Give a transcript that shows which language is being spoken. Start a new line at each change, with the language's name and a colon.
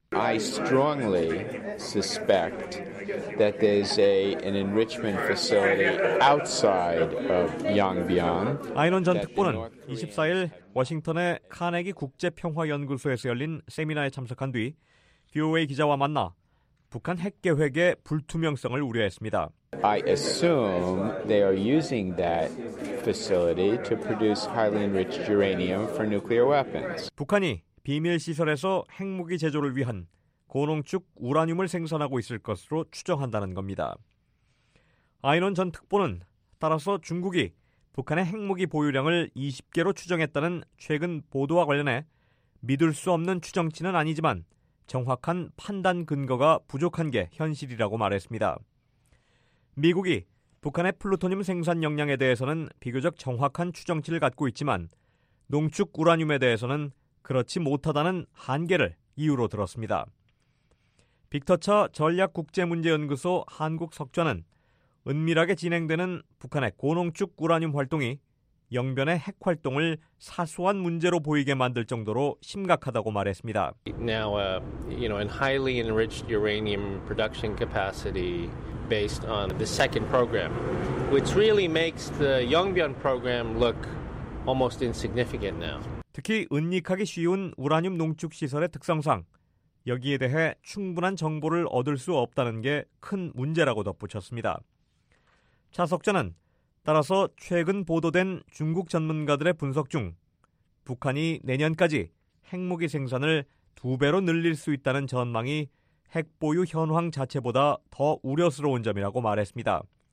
English: I strongly suspect that there's an enrichment facility outside of Yongbyon.
Korean: 아이논 전 특보는 24일 워싱턴의 카네기 국제평화연구소에서 열린 세미나에 참석한 뒤 VOA 기자와 만나 북한 핵 계획의 불투명성을 우려했습니다.
English: I assume they are using that facility to produce highly enriched uranium for nuclear weapons.
Korean: 북한이 비밀시설에서 핵무기 제조를 위한 고농축 우라늄을 생산하고 있을 것으로 추정한다는 겁니다. 아이논 전 특보는 따라서 중국이 북한의 핵무기 보유량을 20개로 추정했다는 최근 보도와 관련해 믿을 수 없는 추정치는 아니지만 정확한 판단 근거가 부족한 게 현실이라고 말했습니다. 미국이 북한의 플루토늄 생산 역량에 대해서는 비교적 정확한 추정치를 갖고 있지만 농축 우라늄에 대해서는 그렇지 못하다는 한계를 이유로 들었습니다. 빅터 차 전략국제문제연구소 한국석좌는 은밀하게 진행되는 북한의 고농축 우라늄 활동이 영변의 핵활동을 사소한 문제로 보이게 만들 정도로 심각하다고 말했습니다.
English: Now, in highly enriched uranium production capacity based on the second program, which really makes the Yongbyon program look almost insignificant now.
Korean: 특히 은닉하기 쉬운 우라늄 농축 시설의 특성상 여기에 대해 충분한 정보를 얻을 수 없다는 게 큰 문제라고 덧붙였습니다. 차석자는 따라서 최근 보도된 중국 전문가들의 분석 중 북한이 내년까지 핵무기 생산을 두 배로 늘릴 수 있다는 전망이 핵 보유 현황 자체보다 더 우려스러운 점이라고 말했습니다.